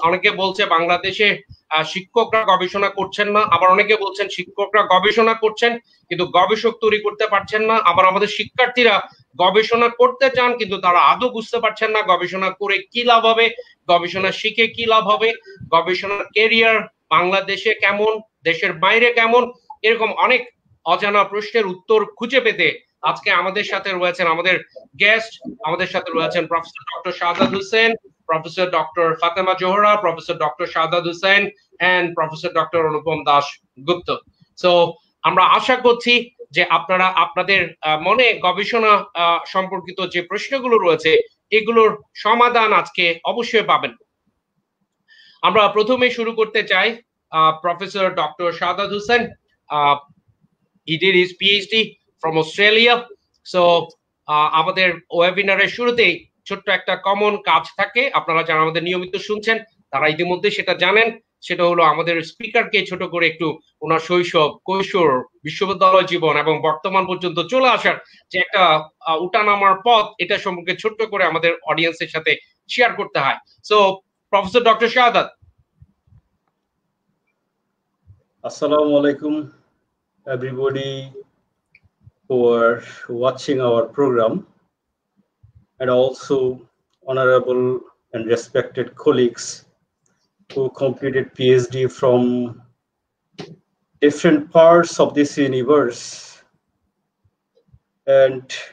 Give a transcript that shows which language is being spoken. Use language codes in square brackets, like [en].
[bn] Oneke bolche Bangladeshe শিক্ষকরা গবেষণা করছেন না, আবার অনেকে বলছেন শিক্ষকরা গবেষণা করছেন কিন্তু গবেষক তৈরি করতে পারছেন না, আবার আমাদের শিক্ষার্থীরা গবেষণা করতে চান কিন্তু তারা আদৌ বুঝতে পারছেন না গবেষণা করে কি লাভ হবে, গবেষণা শিখে কি লাভ হবে, গবেষণার কেরিয়ার বাংলাদেশে কেমন, দেশের বাইরে কেমন, এরকম অনেক অজানা প্রশ্নের উত্তর খুঁজে পেতে আজকে আমাদের সাথে রয়েছেন আমাদের গেস্ট, আমাদের সাথে রয়েছেন professor doctor Shahzad Hossain, Professor Dr. [en] Fatema Johora, Professor Dr. Shahzad Hussain, and Professor Dr. Anupam Dash Gupta. [bn] So, আমরা আশা করছি যে আপনারা আপনাদের মনে গবেষণা সম্পর্কিত যে প্রশ্নগুলো রয়েছে এগুলোর সমাধান আজকে অবশ্যই পাবেন। আমরা প্রথমে শুরু করতে চাই Professor Dr. [en] Shahzad Hussain. He did his PhD from Australia. [bn] So, আমাদের ওয়েবিনারের শুরুতেই ছোট্ট একটা কমন কাজ থাকে, আপনারা যারা আমাদের নিয়মিত শুনছেন তারা ইতিমধ্যে সেটা জানেন, সেটা হলো আমাদের স্পিকারকে ছোট করে একটু ওনার শৈশব কৈশোর বিশ্ববিদ্যালয় জীবন এবং বর্তমান পর্যন্ত চলে আসার যে একটা উঠানামার পথ এটা সম্পর্কে ছোট্ট করে আমাদের অডিয়েন্সের সাথে শেয়ার করতে হয়। সো প্রফেসর ডক্টর শাহজাদ, [en] আসসালামু আলাইকুম everybody who are watching our programme and also honorable and respected colleagues who completed PhD from different parts of this universe and